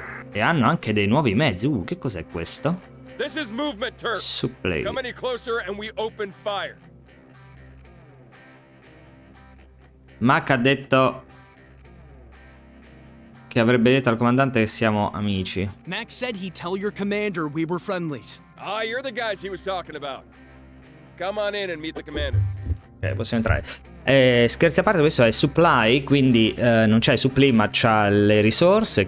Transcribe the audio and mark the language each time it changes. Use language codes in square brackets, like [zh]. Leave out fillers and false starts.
[it] E hanno anche dei nuovi mezzi. Che cos'è questo? Supply. [en] Come any closer and we open fire. [it] Mac ha detto che avrebbe detto al comandante che siamo amici. [en] Mac said he'd tell your commander we were friendlies. Ah, you're the guys he was talking about. Come on in and meet the commander. [it] Ok, possiamo entrare. Scherzi a parte, questo è supply, quindi non c'è supply, ma c'ha le risorse.